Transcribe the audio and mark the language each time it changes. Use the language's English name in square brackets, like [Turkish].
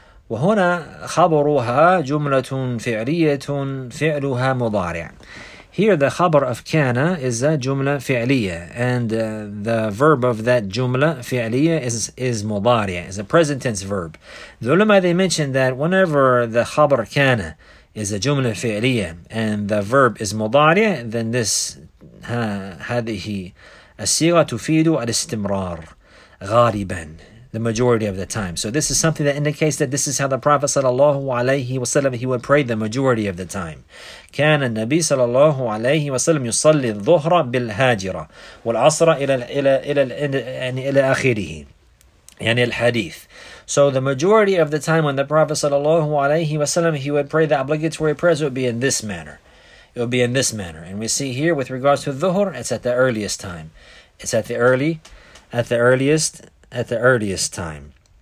[Arabic] وهنا خبرها جملة فعلية فعلها مضارع. [English] Here the khabar of kana is a jumla fi'liya, and the verb of that jumla fi'liya is mudari', is a present tense verb. The ulama, they mentioned that whenever the khabar kana is a jumla fi'liya and the verb is mudari', then this [Arabic] hadhihi asira tufidu al-istimrar ghariban, [English] the majority of the time. So this is something that indicates that this is how the Prophet sallallahu alaihi wasallam, he would pray the majority of the time. [Arabic] كان النبي صلى الله عليه وسلم يصلي الظهر بالهاجرة والعصر إلى إلى إلى يعني إلى آخره يعني الحديث. [English] So the majority of the time when the Prophet [Arabic] صلى الله عليه وسلم, [English] he would pray the obligatory prayers, would be in this manner. It would be in this manner. And we see here with regards to الظهر, it's at the earliest time. It's at the early, at the earliest, at the earliest time.